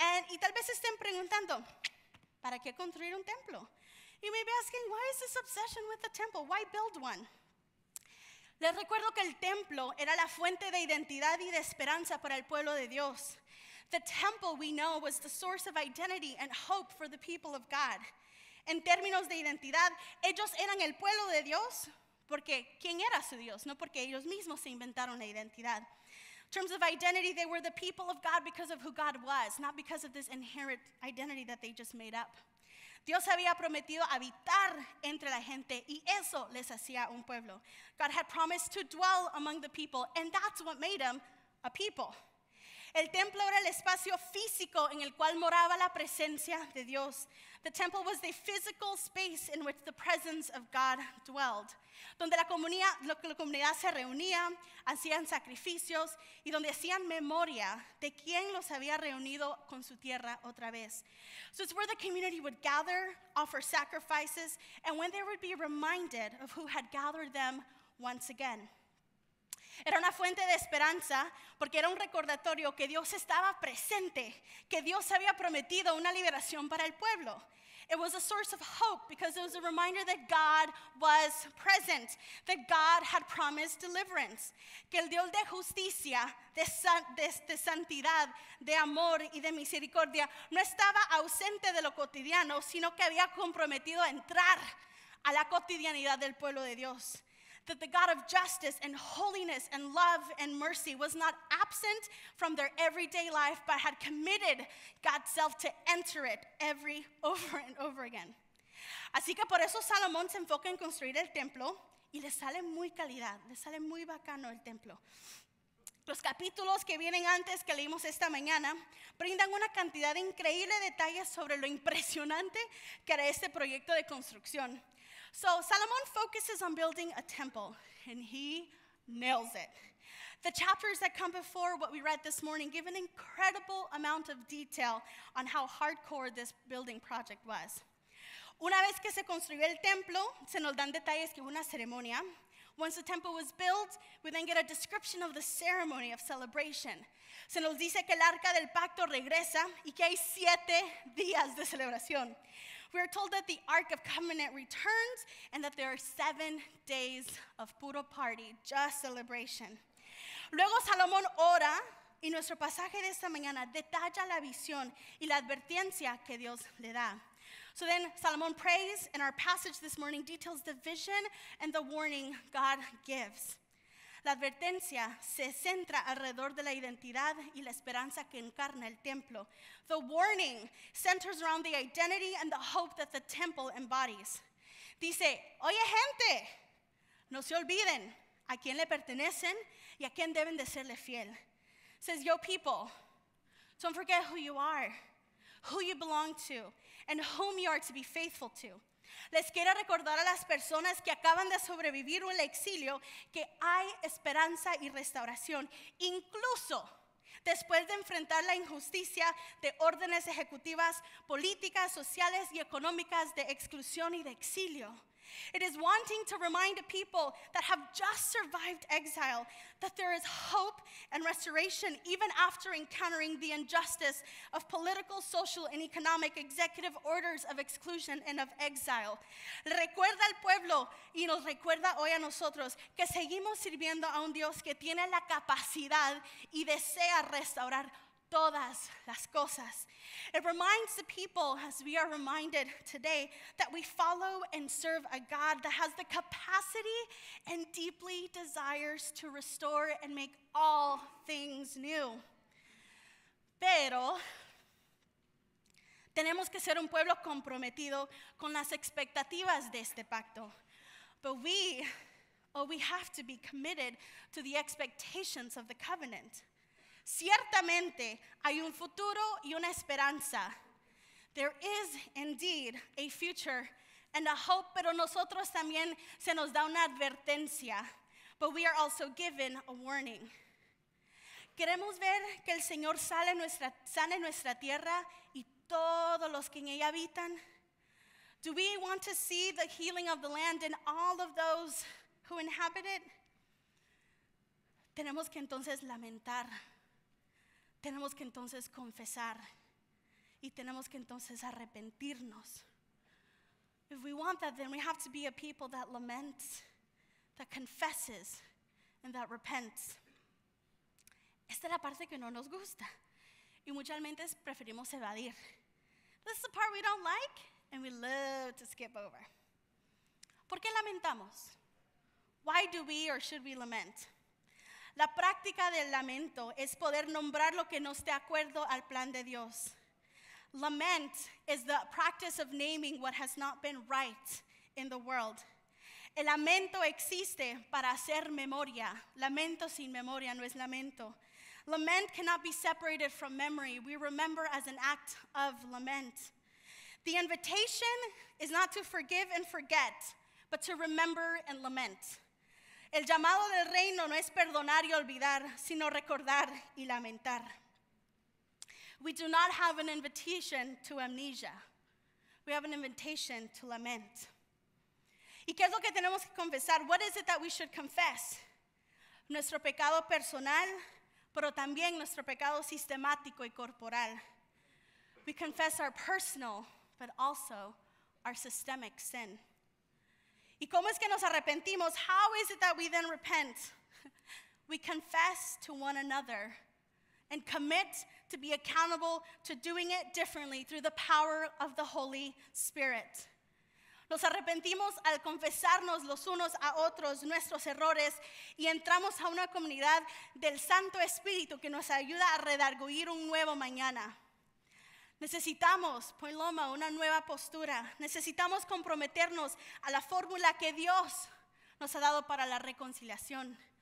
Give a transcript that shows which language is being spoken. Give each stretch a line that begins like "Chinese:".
Spanish: Y tal vez estén preguntando, ¿para qué construir un templo?
English: You may be asking, why is this obsession with the temple? Why build one?
Spanish: Les recuerdo que el templo era la fuente de identidad y de esperanza para el pueblo de Dios.
English: The temple, we know, was the source of identity and hope for the people of God.
Spanish: En términos de identidad, ellos eran el pueblo de Dios porque ¿quién era su Dios? No porque ellos mismos se inventaron la identidad.
English: In terms of identity, they were the people of God because of who God was, not because of this inherent identity that they just made up.
Spanish: Dios había prometido habitar entre la gente y eso les hacía un pueblo.
English: God had promised to dwell among the people, and that's what made them a people.
Spanish: El templo era el espacio físico en el cual moraba la presencia de Dios.
English: The temple was the physical space in which the presence of God dwelled.
Spanish: Donde la comunidad se reunía, hacían sacrificios y donde hacían memoria de quien los había reunido con su tierra otra vez.
English: So it's where the community would gather, offer sacrifices, and when they would be reminded of who had gathered them once again.
Spanish: Era una fuente de esperanza porque era un recordatorio que Dios estaba presente, que Dios había prometido una liberación para el pueblo.
English: It was a source of hope because it was a reminder that God was present, that God had promised deliverance,
Spanish: que el Dios de justicia, de santidad, de amor y de misericordia no estaba ausente de lo cotidiano, sino que había comprometido a entrar a la cotidianidad del pueblo de Dios.
English: That the God of justice and holiness and love and mercy was not absent from their everyday life, but had committed God's self to enter it over and over again.
Spanish: Así que por eso Salomón se enfoca en construir el templo y le sale muy calidad, le sale muy bacano el templo. Los capítulos que vienen antes que leímos esta mañana brindan una cantidad de increíble detalles sobre lo impresionante que era este proyecto de construcción.
English: So Solomon focuses on building a temple, and he nails it. The chapters that come before what we read this morning give an incredible amount of detail on how hardcore this building project was.
Spanish: Una vez que se construyó el templo, se nos dan detalles que hubo una ceremonia.
English: Once the temple was built, we then get a description of the ceremony of celebration.
Spanish: Se nos dice que el arca del pacto regresa y que hay 7 días de celebración.
English: We are told that the Ark of Covenant returns and that there are 7 days of puro party, just celebration.
Spanish: Luego Salomón ora y nuestro pasaje de esta mañana detalla la visión y la advertencia que Dios le da.
English: So then Salomón prays and our passage this morning details the vision and the warning God gives.
Spanish: La advertencia se centra alrededor de la identidad y la esperanza que encarna el templo.
English: The warning centers around the identity and the hope that the temple embodies.
Spanish: Dice, oye gente, no se olviden a quién le pertenecen y a quién deben de serle fiel.
English: Says, yo people, don't forget who you are, who you belong to, and whom you are to be faithful to.
Spanish: Les quiero recordar a las personas que acaban de sobrevivir el exilio que hay esperanza y restauración, incluso después de enfrentar la injusticia de órdenes ejecutivas, políticas, sociales y económicas de exclusión y de exilio.
English: It is wanting to remind a people that have just survived exile that there is hope and restoration even after encountering the injustice of political, social, and economic executive orders of exclusion and of exile.
Spanish: Recuerda al pueblo y nos recuerda hoy a nosotros que seguimos sirviendo a un Dios que tiene la capacidad y desea restaurar todas las cosas.
English: It reminds the people, as we are reminded today, that we follow and serve a God that has the capacity and deeply desires to restore and make all things new.
Spanish: Pero tenemos que ser un pueblo comprometido con las expectativas de este pacto.
English: But we have to be committed to the expectations of the covenant.
Spanish: Ciertamente hay un futuro y una esperanza.
English: There is indeed a future and a hope,
Spanish: pero nosotros también se nos da una advertencia.
English: But we are also given a warning.
Spanish: Queremos ver que el Señor sane nuestra tierra y todos los que en ella habitan.
English: Do we want to see the healing of the land and all of those who inhabit it?
Spanish: Tenemos que entonces lamentar. Tenemos que entonces confesar y tenemos que entonces arrepentirnos.
English: If we want that, then we have to be a people that laments, that confesses, and that repents.
Spanish: Esta es la parte que no nos gusta y muchas veces preferimos evadir.
English: This is the part we don't like and we love to skip over.
Spanish: ¿Por qué lamentamos?
English: Why do we or should we lament?
Spanish: La práctica del lamento es poder nombrar lo que no esté de acuerdo al plan de Dios.
English: Lament is the practice of naming what has not been right in the world.
Spanish: El lamento existe para hacer memoria. Lamento sin memoria no es lamento.
English: Lament cannot be separated from memory. We remember as an act of lament. The invitation is not to forgive and forget, but to remember and lament.
Spanish: El llamado del reino no es perdonar y olvidar, sino recordar y lamentar.
English: We do not have an invitation to amnesia. We have an invitation to lament.
Spanish: ¿Y qué es lo que tenemos que confesar?
English: What is it that we should confess?
Spanish: Nuestro pecado personal, pero también nuestro pecado sistemático y corporal.
English: We confess our personal, but also our systemic sin.
Spanish: ¿Y cómo es que nos arrepentimos?
English: How is it that we then repent? We confess to one another and commit to be accountable to doing it differently through the power of the Holy Spirit.
Spanish: Nos arrepentimos al confesarnos los unos a otros nuestros errores y entramos a una comunidad del Santo Espíritu que nos ayuda a redarguir un nuevo mañana. Necesitamos, Point Loma, una nueva postura. Necesitamos comprometernos a la fórmula que Dios nos ha dado para la reconciliación.